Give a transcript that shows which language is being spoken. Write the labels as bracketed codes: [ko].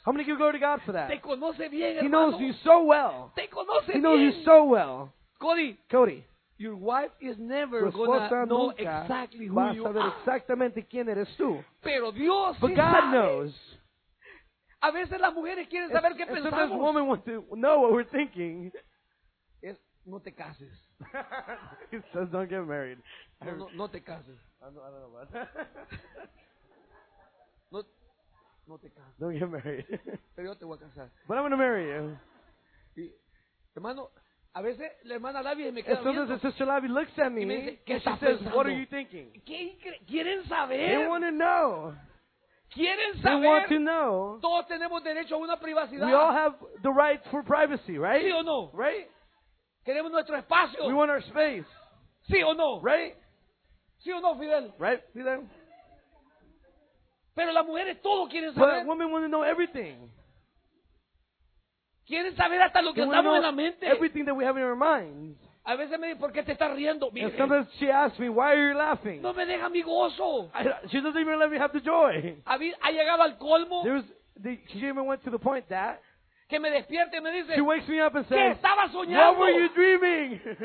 [en] How many give glory to God for that? [es] Te conoce bien, hermano. [en] He knows you so well. [es] Te conoce bien. [en] He knows [es] bien. [en] You so well. Cody. Your wife is never going to know exactly who you are. [es] Va a saber exactamente quién eres tú. Pero Dios [en] but [es] sí [en] God [es] sabe. [en] Knows. [es] A veces las mujeres quieren saber qué pensamos. [en] Sometimes women want to know what we're thinking. [es] No te cases. [en] He says, don't get married. [es] No te cases. [en] I don't know about that. [es] No te cases. [en] Don't get married. [es] Pero yo te voy a casar. [en] But I'm going to marry you. [es] Y, hermano, a veces la hermana Labi me queda viendo. [en] Sometimes the sister Labi looks at me. [es] Y me dice, ¿qué [en] she [es] estás pensando? [en] Says, what are you thinking? [es] ¿Qué quieren saber? [en] They want to know. [es] Quieren saber. [en] They want to know. [es] Todos tenemos derecho a una privacidad. [en] We all have the right for privacy, right? [es] ¿Sí o no? [en] Right? [es] Queremos nuestro espacio. [en] We want our space. [es] ¿Sí o no? [en] Right? [es] ¿Sí o no, Fidel? [en] Right, Fidel? [es] Pero las mujeres todo quieren saber. [en] But women want to know everything. [es] Quieren saber hasta lo que estamos en la mente. [en] Everything that we have in our minds. [es] A veces me dice, ¿por qué te estás riendo? [en] And sometimes she asks me, why are you laughing? [es] No me deja mi gozo. [en] She doesn't even let me have the joy. [es] Ha llegado al colmo. [en] She even went to the point that [es] que me despierte y me dice, [en] she wakes me up and says, [es] ¿qué estaba soñando? [en] What were you dreaming?